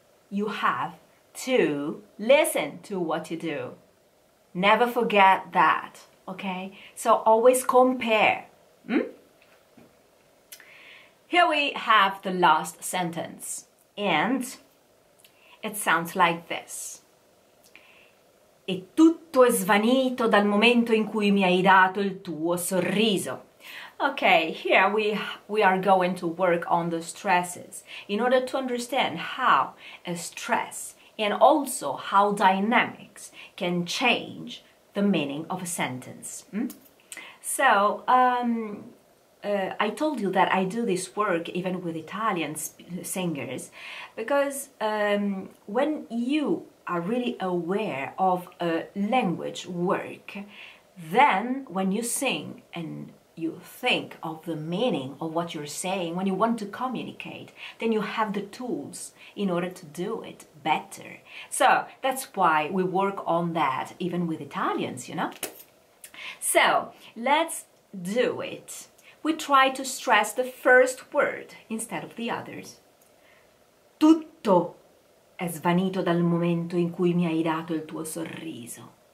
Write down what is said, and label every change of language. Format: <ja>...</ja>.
<en>You have to listen to what you do. Never forget that. Okay? So always compare. Here we have the last sentence, and it sounds like this.</en> <it>E tutto è svanito dal momento in cui mi hai dato il tuo sorriso.</it> <en>Okay, here we are going to work on the stresses in order to understand how a stress and also how dynamics can change the meaning of a sentence. I told you that I do this work even with Italian singers because when you are really aware of a language work, then when you sing and you think of the meaning of what you're saying, when you want to communicate, then you have the tools in order to do it better. So that's why we work on that even with Italians, you know? So let's do it. We try to stress the first word instead of the others.</en> <it>Tutto è svanito dal momento in cui mi hai dato il tuo sorriso.</it>